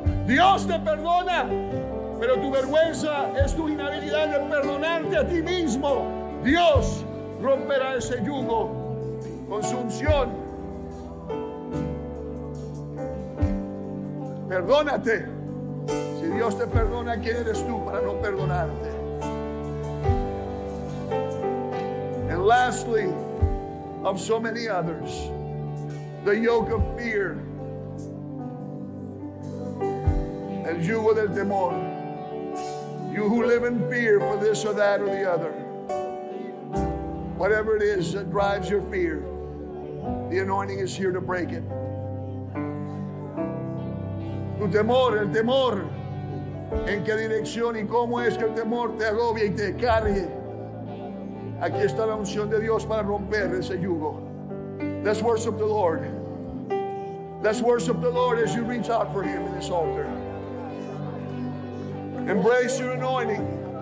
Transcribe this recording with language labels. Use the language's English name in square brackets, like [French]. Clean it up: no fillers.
[Spanish] Dios te perdona, pero tu vergüenza es tu inhabilidad de perdonarte a ti mismo. Dios romperá ese yugo con su unción. Perdónate. Si Dios te perdona, ¿quién eres tú para no perdonarte? [English] And lastly, of so many others, the yoke of fear. [Spanish] El yugo del temor. [English] You who live in fear for this or that or the other. Whatever it is that drives your fear, the anointing is here to break it. [Spanish] Tu temor, el temor, en qué dirección y cómo es que el temor te agobia y te cargue. Aquí está la unción de Dios para romper ese yugo. [English] Let's worship the Lord. Let's worship the Lord as you reach out for Him in this altar. Embrace your anointing.